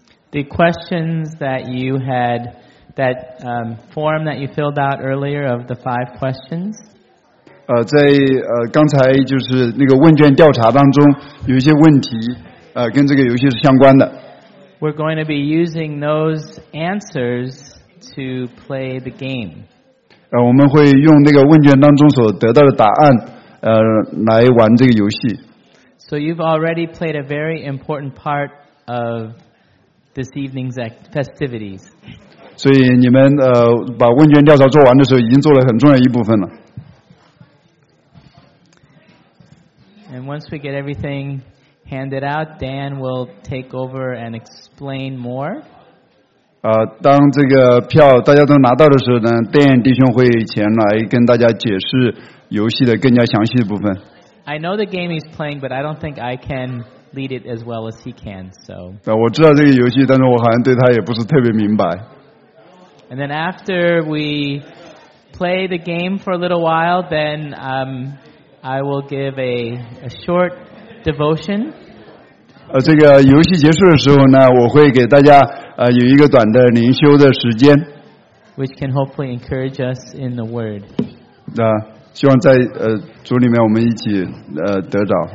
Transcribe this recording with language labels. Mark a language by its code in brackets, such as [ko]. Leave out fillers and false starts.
[en] the questions that you had, that form that you filled out earlier of the five questions. [zh] 在刚才就是那个问卷调查当中，有一些问题跟这个游戏是相关的。 [en] We're going to be using those answers to play the game. [zh] 我们会用那个问卷当中所得到的答案来玩这个游戏。 [en] So you've already played a very important part of this evening's festivities. [zh] 所以你们把问卷调查做完的时候，已经做了很重要一部分了。 [en] And once we get everything handed out, Dan will take over and explain more. [zh] 当这个票大家都拿到的时候呢 ，Dan 弟兄会前来跟大家解释游戏的更加详细的部分。 [en] I know the game he's playing, but I don't think I can lead it as well as he can. So. [zh] 我知道这个游戏，但是我好像对他也不是特别明白。 [en] And then after we play the game for a little while, then I will give a short devotion. [zh] 这个游戏结束的时候呢，我会给大家有一个短的灵修的时间。 [en] Which can hopefully encourage us in the Word. [zh] 希望在主里面我们一起得着。